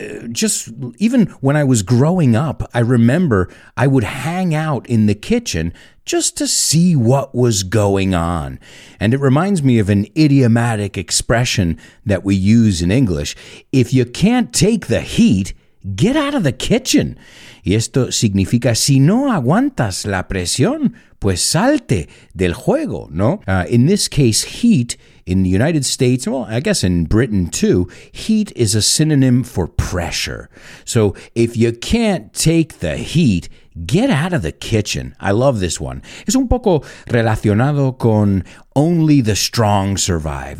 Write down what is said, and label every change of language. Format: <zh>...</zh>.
<en>Just even when I was growing up, I remember I would hang out in the kitchen just to see what was going on. And it reminds me of an idiomatic expression that we use in English. If you can't take the heat, get out of the kitchen.</en> <es>Y esto significa, si no aguantas la presión, pues salte del juego, ¿no?</es> <en>In this case, heat in the United States, well, I guess in Britain too, heat is a synonym for pressure. So if you can't take the heat, get out of the kitchen. I love this one.</en> <es>Es un poco relacionado con</es> <en>only the strong survive.</en>